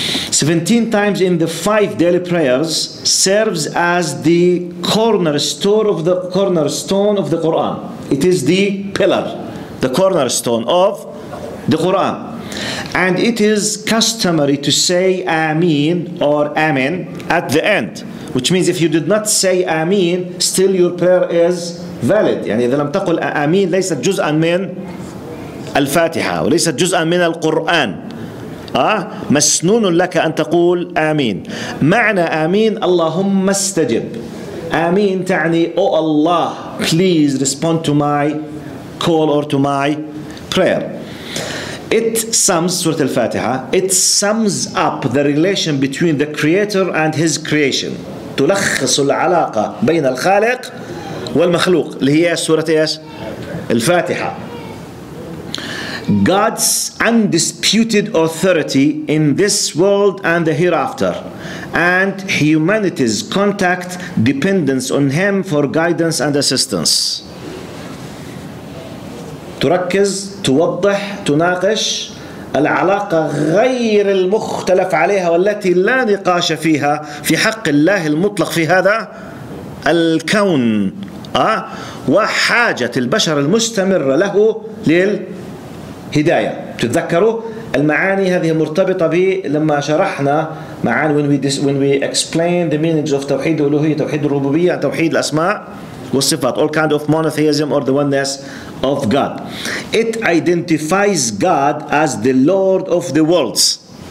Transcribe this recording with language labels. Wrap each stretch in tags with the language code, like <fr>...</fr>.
<en>17 times in the five daily prayers serves as the cornerstone of the Quran. It is the pillar, the cornerstone of the Quran. And it is customary to say Ameen or Amen at the end. Which means if you did not say Ameen, still your prayer is valid.</en> <ar>يعني إذا لم تقل آمين ليست جزءا من الفاتحة وليست جزءا من القرآن. مسنون لك أن تقول آمين. معنى آمين اللهم استجب. آمين تعني</ar> <en>Oh Allah, please respond to my call or to my prayer. Surah Al-Fatiha, it sums up the relation between the Creator and His creation.</en> <ar>تلخص العلاقة بين الخالق والمخلوق اللي هي سورة إيش؟ الفاتحة.</ar> <en>God's undisputed authority in this world and the hereafter, and humanity's contact dependence on Him for guidance and assistance.</en> <ar>تركز، توضح، تناقش العلاقة غير المختلف عليها والتي لا نقاش فيها في حق الله المطلق في هذا الكون وحاجة البشر المستمرة له للهداية. تتذكروا المعاني هذه مرتبطة ب لما شرحنا معاني</ar> <en>when we explain the meanings of</en> <ar>توحيد الألوهية، توحيد الربوبية، توحيد الأسماء والصفات،</ar> <en>all kind of monotheism or the oneness of God. It identifies God as the Lord of the worlds.</en>